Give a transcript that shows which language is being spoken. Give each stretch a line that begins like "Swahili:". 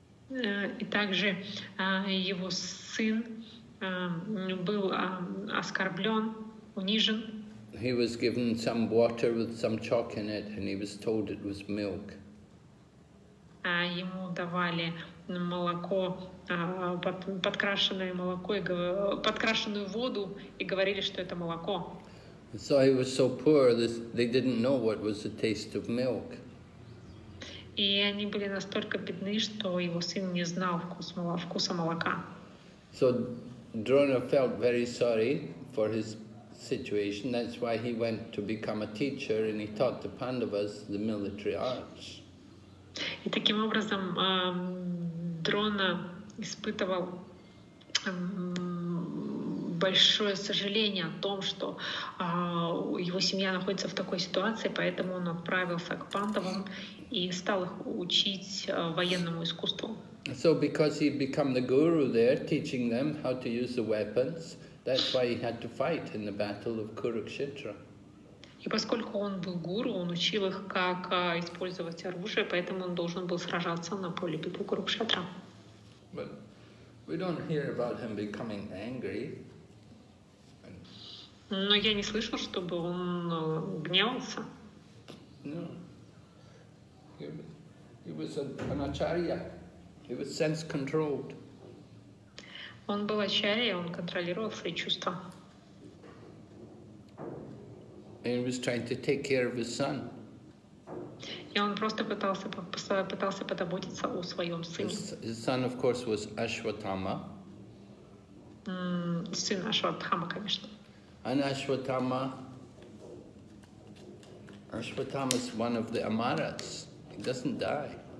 Russian: И также его сын был оскорблен, унижен.
English: He was given some water with some chalk in it, and he was told it was milk.
Russian: Ему давали молоко, подкрашенное молоко, подкрашенную воду, и говорили, что это молоко.
English: So he was so poor, they didn't know what was the taste of milk.
Russian: И они были настолько бедны, что его сын не знал вкуса молока.
English: So Drona felt very sorry for his situation. That's why he went to become a teacher and he taught the Pandavas the military arts.
Russian: И таким образом Дрона испытывал большое сожаление о том, что его семья находится в такой ситуации, поэтому он отправился к Пандавам и стал их учить военному искусству.
English: So because he became the guru there, teaching them how to use the weapons, that's why he had to fight in the battle of Kurukshetra.
Russian: И поскольку он был гуру, он учил их, как использовать оружие, поэтому он должен был сражаться на поле битвы Курукшетра.
English: But we don't hear about him becoming angry.
Russian: Но я не слышал, чтобы он гневался.
English: No. He was an acharya. He was sense-controlled.
Russian: Он был ачарья, он контролировал свои чувства.
English: And he was trying to take care of his son.
Russian: И он просто пытался позаботиться о своем сыне.
English: His son, of course, was Ashwatthama.
Russian: Сын Ашватхама, конечно.
English: And Ashwatthama is one of the Amaras. He doesn't die.